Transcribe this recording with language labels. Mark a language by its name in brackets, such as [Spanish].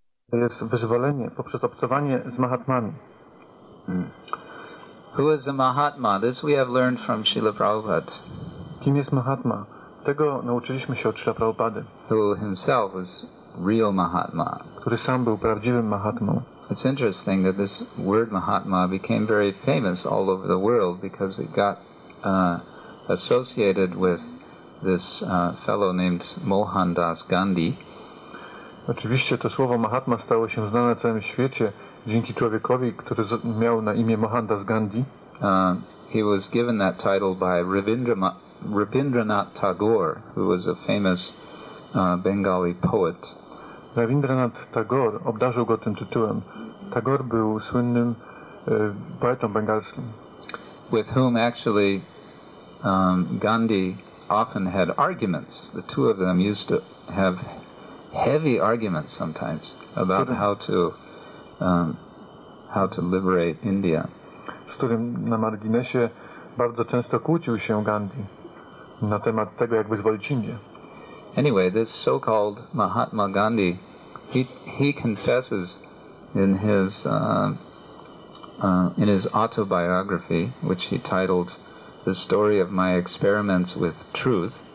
[Polish] To jest wyzwolenie poprzez obcowanie z mahatmami. [English] Who is a mahatma? This we have learned from Śrīla Prabhupāda. [Polish] Kim jest mahatma? Tego nauczyliśmy się od Śrīla Prabhupady. [English] Who himself was real mahatma. [Polish] Który sam był prawdziwym mahatmą. [English] It's interesting that this word mahatma became very famous all over the world because it got associated with this fellow named Mohandas Gandhi. [Polish] Oczywiście to słowo mahatma stało się znane na całym świecie dzięki człowiekowi, który miał na imię Mohandas Gandhi. [English] He was given that title by Rabindranath Tagore, who was a famous Bengali poet. [Polish] Rabindranath Tagore obdarzył go tym tytułem. Tagore był słynnym poetą bengalskim. [English] With whom actually Gandhi often had arguments. The two of them used to have heavy arguments sometimes about how to liberate India. [Polish] Z którym na marginesie bardzo często kłócił się Gandhi na temat tego, jak wyzwolić Indię. [English] Anyway, this so-called Mahatma Gandhi, he confesses in his autobiography, which he titled "The Story of My Experiments with Truth."